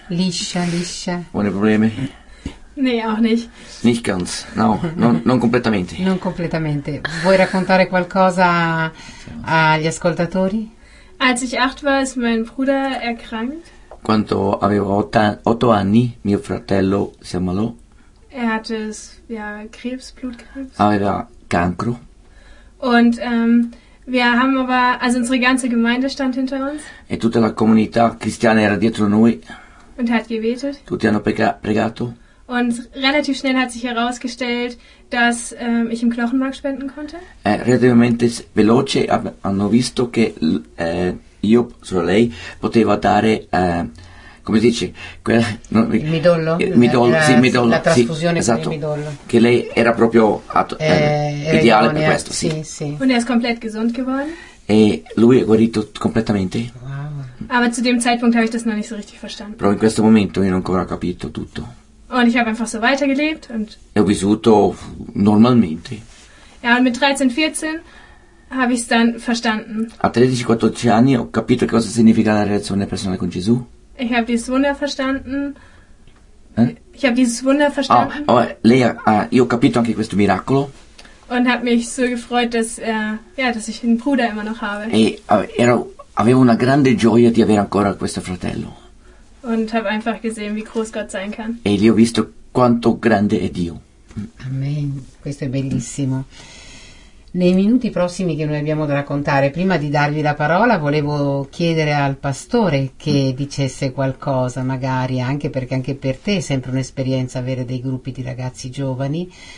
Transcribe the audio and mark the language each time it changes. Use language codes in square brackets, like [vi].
[it] Liscia. [de] Ohne Probleme? Nee, auch nicht. Nicht ganz, [it] no, non completamente. Non completamente. Vuoi raccontare qualcosa agli ascoltatori? [de] Als ich 8 war, ist mein Bruder erkrankt. [it] Quando avevo 8 anni, mio fratello si ammalò. [de] Er hatte Krebs, Blutkrebs. [it] Aveva cancro. [de] Und wir haben aber, also unsere ganze Gemeinde stand hinter uns. [it] E tutta la comunità cristiana era dietro noi. [de] Und hat gebetet. [it] Tutti hanno pregato. [de] Und relativ schnell hat sich herausgestellt, dass ich im Knochenmark spenden konnte. [it] Relativamente veloce hanno visto che io, solo lei, poteva dare, come si dice? Il midollo. La trasfusione, sì, esatto, con il midollo. Che lei era proprio ideale per questo. Sì, sì. [de] Und er ist komplett gesund geworden. [it] E lui è guarito completamente. Wow. [de] Aber zu dem Zeitpunkt habe ich das noch nicht so richtig verstanden. [it] Però in questo momento io non ho ancora capito tutto. [de] Und ich habe einfach so weitergelebt. [it] E ho vissuto normalmente. [de] Ja, und mit 13, 14... habe ich es dann verstanden. [it] A 13-14 anni ho capito che cosa significa la relazione personale con Gesù. [de] Ich habe dieses Wunder verstanden. Ich habe dieses Wunder verstanden. [it] Oh, lei, io ho capito anche questo miracolo. [de] Und habe mich so gefreut, dass dass ich einen Bruder immer noch habe. [it] E avevo una grande gioia di avere ancora questo fratello. [de] Und habe einfach gesehen, wie groß Gott sein kann. [it] E lì ho visto quanto grande è Dio. Amen. Questo è bellissimo. Nei minuti prossimi che noi abbiamo da raccontare, prima di darvi la parola, volevo chiedere al pastore che dicesse qualcosa, magari, anche perché anche per te è sempre un'esperienza avere dei gruppi di ragazzi giovani.